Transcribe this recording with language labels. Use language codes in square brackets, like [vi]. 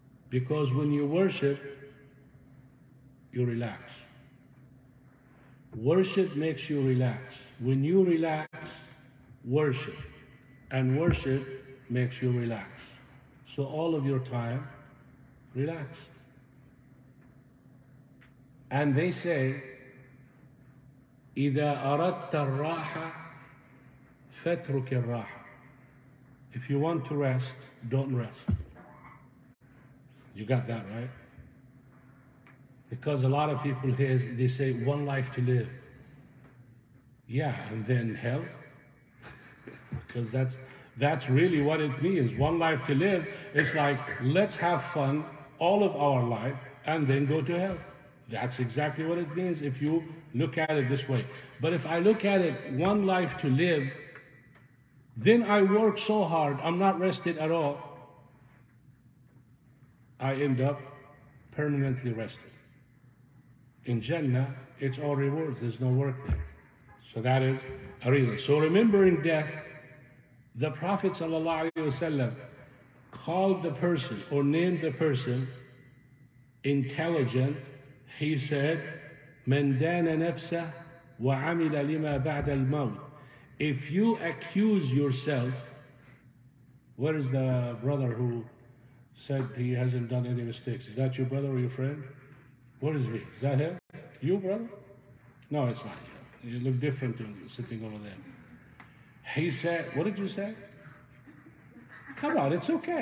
[en] Because when you worship, you relax. Worship makes you relax. When you relax, worship. And worship makes you relax. So all of your time, relax. And they say, [ar] إذا أردت الراحة فاترك الراحة. [en] If you want to rest, don't rest. You got that right? Because a lot of people here, they say, one life to live. Yeah, and then hell? Because that's really what it means, one life to live. It's like, let's have fun all of our life and then go to hell. That's exactly what it means if you look at it this way. But if I look at it, one life to live, then I work so hard, I'm not rested at all. I end up permanently rested. In Jannah, it's all rewards. There's no work there. So that is a reason. So remembering death, the Prophet ﷺ called the person or named the person intelligent. He said, [ar] من دان نفسه وعمل لما بعد الموت. [en] If you accuse yourself, where is the brother who said he hasn't done any mistakes? Is that your brother or your friend? Where is he? Is that him? You, brother? No, it's not you. You look different than you sitting over there. He said, what did you say? Come on, it's okay.